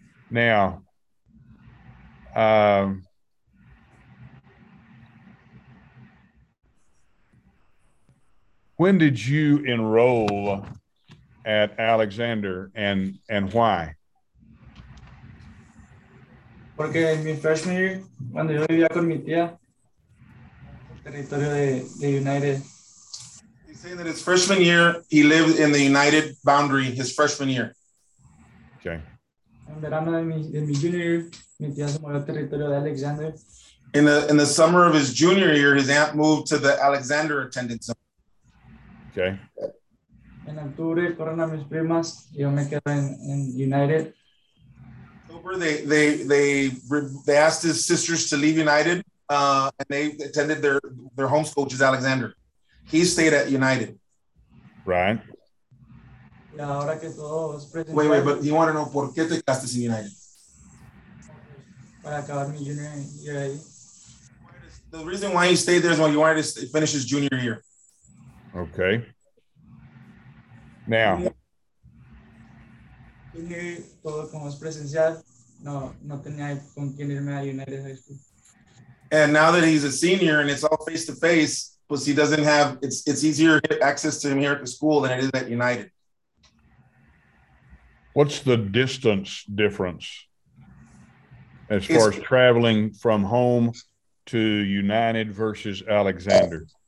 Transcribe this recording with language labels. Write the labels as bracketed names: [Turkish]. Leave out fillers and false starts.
[English] Now, when did you enroll at Alexander and why? [Spanish] Porque en mi freshman year, cuando yo vivía con mi tía, territorio de United. [English] Saying that his freshman year, he lived in the United boundary, his freshman year. Okay. [Spanish] En verano de mi junior year, mi tía se movió al territorio de Alexander. [English] In the summer of his junior year, his aunt moved to the Alexander attendance zone. Okay. [Spanish] En octubre, corren a mis primas, yo me quedo en United. [English] October, they asked his sisters to leave United, and they attended their home school, which is Alexander. He stayed at United. Right. Wait, but you want to know [Spanish] por qué te quedaste sin United? Para acabar mi junior year. [English] The reason why he stayed there is when you wanted to finish his junior year. Okay. Now. [Spanish] Todo como es presencial, no tenía con quién irme a United High School. [English] And now that he's a senior and it's all face to face. Plus, he doesn't have, it's easier to get access to him here at the school than it is at United. What's the distance difference as far as traveling from home to United versus Alexander?